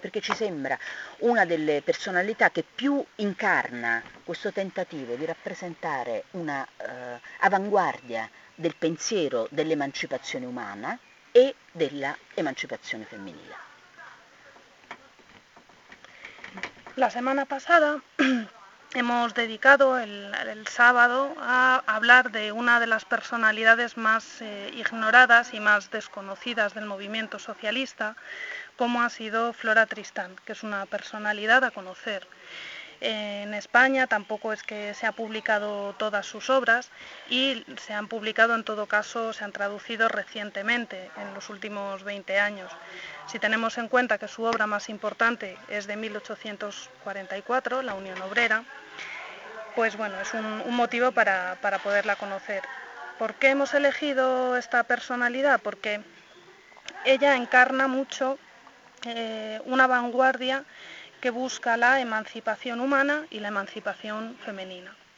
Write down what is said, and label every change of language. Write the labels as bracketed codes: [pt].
[it] Perché ci sembra una delle personalità che più incarna questo tentativo di rappresentare una avanguardia del pensiero dell'emancipazione umana e della emancipazione femminile. [es] La semana pasada hemos dedicado el sábado a hablar de una de las personalidades más ignoradas y más desconocidas del movimiento socialista, como ha sido Flora Tristán, que es una personalidad a conocer. En España tampoco es que se ha publicado todas sus obras y se han publicado, en todo caso, se han traducido recientemente, en los últimos 20 años. Si tenemos en cuenta que su obra más importante es de 1844, La Unión Obrera, pues bueno, es un motivo para poderla conocer. ¿Por qué hemos elegido esta personalidad? Porque ella encarna mucho una vanguardia che busca [it] la emancipazione umana e la emancipazione femminile.